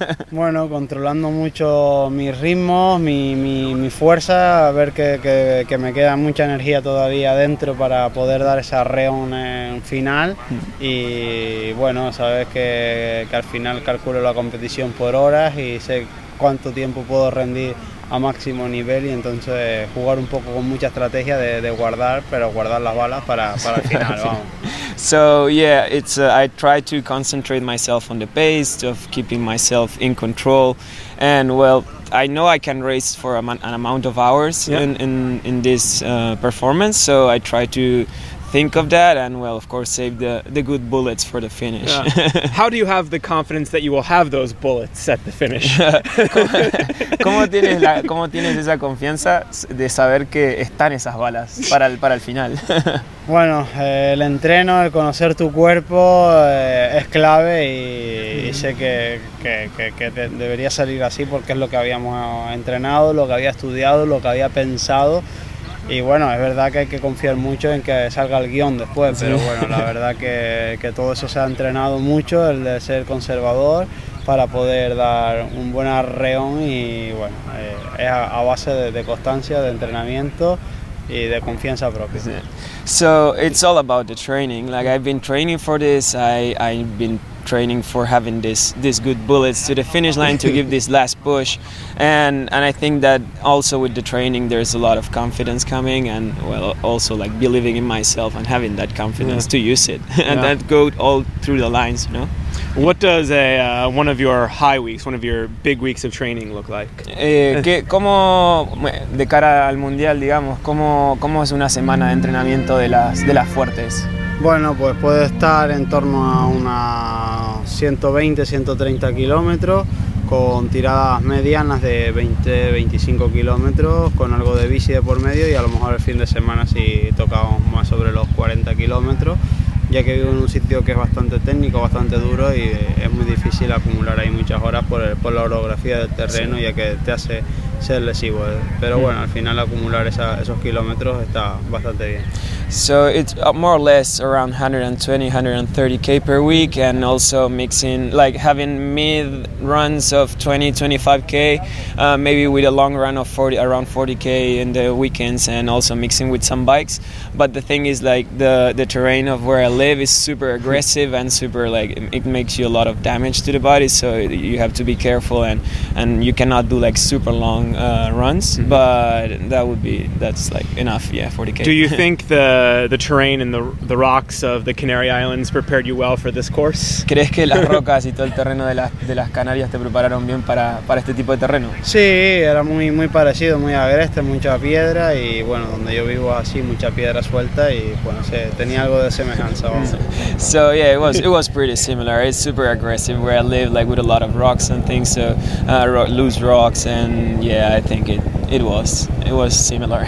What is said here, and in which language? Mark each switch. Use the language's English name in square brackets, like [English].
[Spanish] Bueno, controlando mucho mis ritmos, mi fuerza, a ver que me queda mucha energía todavía dentro para poder dar esa reón final. Y bueno, sabes que al final calculo la competición por horas y sé cuánto tiempo puedo rendir a máximo nivel y entonces jugar un poco con mucha estrategia de guardar, pero guardar las balas para el final, vamos. [English] So yeah, I try to concentrate myself on the pace, of keeping myself in control, and well, I know I can race for an amount of hours in this performance, so I try to think of that and well, of course, save the good bullets for the finish. Yeah. How do you have the confidence that you will have those bullets at the finish? [Spanish] ¿Cómo tienes esa confianza de saber que están esas balas para el final? Bueno, el entreno, el conocer tu cuerpo es clave y sé que debería salir así porque es lo que habíamos entrenado, lo que había estudiado, lo que había pensado. Y bueno, es verdad que hay que confiar mucho en que salga el guión después, pero bueno, la verdad que todo eso se ha entrenado mucho, el de ser conservador, para poder dar un buen arreón y bueno, es a base de constancia, de entrenamiento y de confianza propia. Sí. [English] So, it's all about the training. Like, I've been training for this, I've been training for having this good bullets to the finish line to give this last push, and I think that also with the training there's a lot of confidence coming, and well, also like believing in myself and having that confidence to use it and that go all through the lines, you know. What does one of your high weeks, one of your big weeks of training look like? [Spanish] ¿Cómo de cara al mundial, digamos, cómo es una semana de entrenamiento de las fuertes? Bueno, pues puede estar en torno a unas 120, 130 kilómetros, con tiradas medianas de 20, 25 kilómetros, con algo de bici de por medio, y a lo mejor el fin de semana si tocamos más sobre los 40 kilómetros, ya que vivo en un sitio que es bastante técnico, bastante duro, y es muy difícil acumular ahí muchas horas por la orografía del terreno, ya que te hace ser lesivo. Pero bueno, al final acumular esos kilómetros está bastante bien. [English] So it's more or less around 120, 130k per week, and also mixing, like having mid runs of 20, 25k, maybe with a long run of 40, around 40k in the weekends, and also mixing with some bikes. But the thing is, like, the terrain of where I live is super aggressive and super, like, it makes you a lot of damage to the body, so you have to be careful, and you cannot do like super long runs, but that's like enough, yeah, 40k. Do you think the terrain and the rocks of the Canary Islands prepared you well for this course? [Spanish] ¿Crees que las rocas y todo el terreno de las Canarias te prepararon bien para este tipo de terreno? Sí, era muy muy parecido, muy agreste, mucha piedra, y bueno, donde yo vivo así mucha piedra suelta, y bueno, sé, tenía algo de semejanza. [English] So yeah, it was pretty similar. It's super aggressive where I live, like with a lot of rocks and things, so loose rocks, and yeah, I think it was similar.